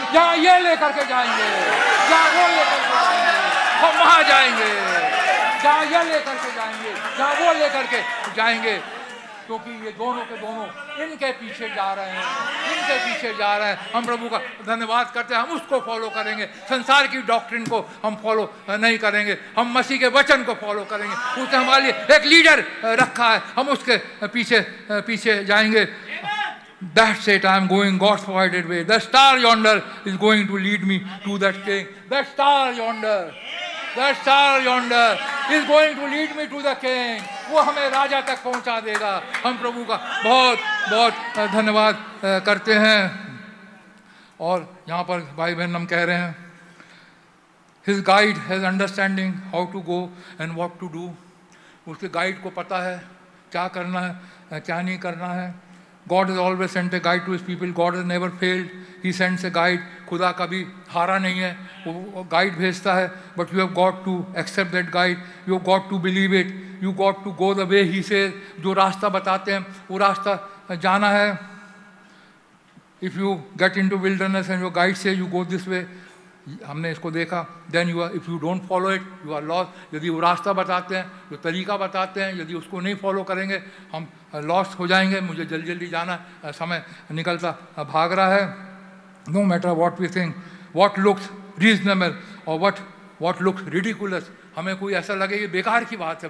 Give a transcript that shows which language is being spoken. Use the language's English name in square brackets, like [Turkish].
[Hindi] जहाँ ये लेकर के जाएंगे, जहाँ वो लेकर के जाएंगे हम वहाँ जाएंगे, जहाँ ये लेकर के जाएंगे जहाँ वो लेकर के जाएंगे, क्योंकि ये दोनों के दोनों इनके पीछे जा रहे हैं, इनके पीछे जा रहे हैं। हम प्रभु का धन्यवाद करते हैं, हम उसको फॉलो करेंगे, संसार की डॉक्ट्रिन को हम फॉलो नहीं करेंगे, हम मसीह के वचन को फॉलो करेंगे। उसने हमारे लिए एक लीडर रखा है, हम उसके पीछे पीछे जाएंगे। [English] That's it, I'm going God's provided way. The star yonder is going to lead me to that king. The star yonder is going to lead me to the king. [Hindi] वो हमें राजा तक पहुंचा देगा। हम प्रभु का बहुत बहुत धन्यवाद करते हैं। और यहाँ पर भाई बहन हम कह रहे हैं [English] His guide has understanding how to go and what to do. [Hindi] उसके गाइड को पता है क्या करना है क्या नहीं करना है. [English] God has always sent a guide to His people. God has never failed. He sends a guide. [Hindi] खुदा कभी हारा नहीं है. वो guide भेजता है. [English] But you have got to accept that guide. You have got to believe it. You got to go the way He says. [Hindi] जो रास्ता बताते हैं वो रास्ता जाना है. [English] If you get into wilderness and your guide says you go this way, [Hindi] हमने इसको देखा, [English] then you are, if you don't follow it, you are lost. [Hindi] यदि वो रास्ता बताते हैं, जो तरीका बताते हैं, यदि उसको नहीं फॉलो करेंगे, हम लॉस्ट हो जाएंगे. मुझे जल्दी जल्दी जाना, समय निकलता भाग रहा है. [English] no matter what we think, what looks reasonable और what looks ridiculous, [Hindi] हमें कोई ऐसा लगे ये बेकार की बात है.